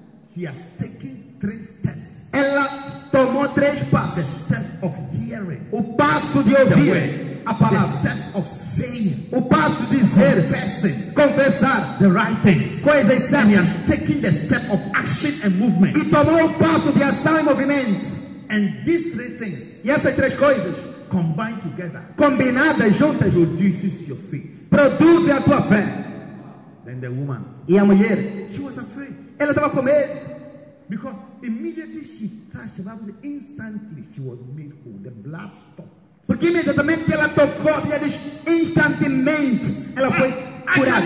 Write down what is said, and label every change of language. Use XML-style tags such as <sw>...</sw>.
<en>She has taken three steps.</en> <pt>Ela tomou três passos.</pt> <en>The step of hearing.</en> <pt>O passo de ouvir.</pt> <en>The way.</en> <pt>A palavra.</pt> <en>The step of saying.</en> <pt>O passo de dizer.</pt> <en>Confessing.</en> <pt>Confessar.</pt> <en>The right things.</en> <pt>Coisas certas.</pt> <en>He has taken the step of action and movement.</en> <pt>E tomou o passo de ação e movimento.</pt> <en>And these three things,</en> <pt>e essas três coisas</pt> <en>combined together,</en> <pt>combinadas juntas,</pt> <en>produces your faith,</en> <pt>produz a tua fé.</pt> <en>Then the woman,</en> <pt>e a mulher,</pt> <en>she was afraid,</en> <pt>ela estava com medo,</pt> <en>because immediately she touched, the Bible says instantly she was made whole, the blood stopped.</en> <pt>Porque imediatamente que ela tocou, ela diz instantaneamente, ela foi curada.</pt>